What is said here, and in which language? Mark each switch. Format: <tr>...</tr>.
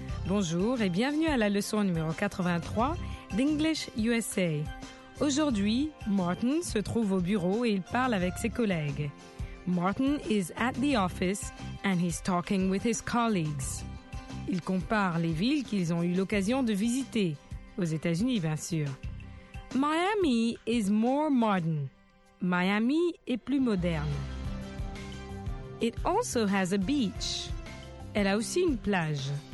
<fr>Bonjour et bienvenue à la leçon numéro 83 d'English USA. Aujourd'hui, Martin se trouve au bureau et il parle avec ses collègues.</fr> <en>Martin is at the office and he's talking with his colleagues.</en> <fr>Il compare les villes qu'ils ont eu l'occasion de visiter, aux États-Unis bien sûr.</fr> <en>Miami is more modern.</en> <fr>Miami est plus moderne.</fr> <en>It also has a beach.</en> <fr>Elle a aussi une plage.</fr>